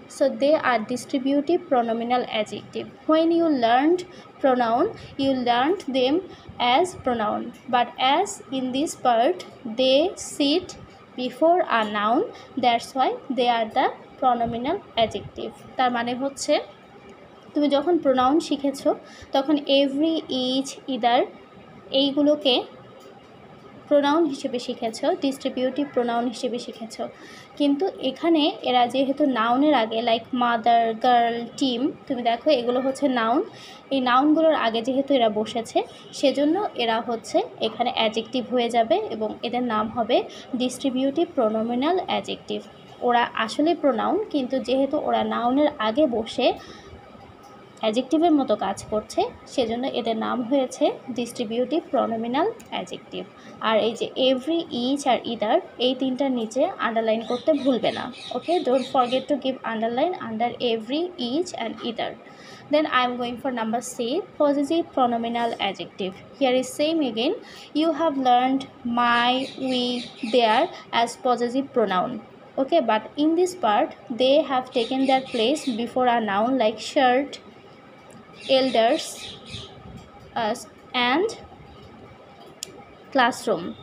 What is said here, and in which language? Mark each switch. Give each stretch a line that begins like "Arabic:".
English: So they are distributive pronominal adjective. When you learned pronoun, you learned them as pronoun, but as in this part they sit before a noun, that's why they are the pronominal adjective.
Bangla: তার মানে হচ্ছে তুমি যখন pronoun শিখেছো তখন every, each, either এইগুলোকে pronoun হিসেবে শিখেছো, distributive pronoun হিসেবে শিখেছো, কিন্তু এখানে এরা যেহেতু noun এর আগে like mother, girl, team, তুমি দেখো এগুলো হচ্ছে noun, এই noun গুলোর আগে যেহেতু এরা বসেছে সেজন্য এরা হচ্ছে এখানে adjective হয়ে যাবে এবং এদের নাম হবে distributive pronominal adjective. ওরা আসলে pronoun কিন্তু যেহেতু ওরা noun এর আগে বসে অ্যাডজেক্টিভের মতো কাজ করছে সেজন্য এদের নাম হয়েছে ডিস্ট্রিবিউটিভ প্রনোমিনাল অ্যাডজেক্টিভ. আর এই যে এভরি, ইচ আর ইদার, এই তিনটার নিচে আন্ডারলাইন করতে ভুলবে না. ওকে,
English: Don't forget to give underline under every, each and either. then I am going for number C, possessive pronominal adjective. Here is same again, you have learned my, we, their as possessive pronoun. Okay, but in this part, they have taken their place before a noun like shirt, elders, us, and classroom.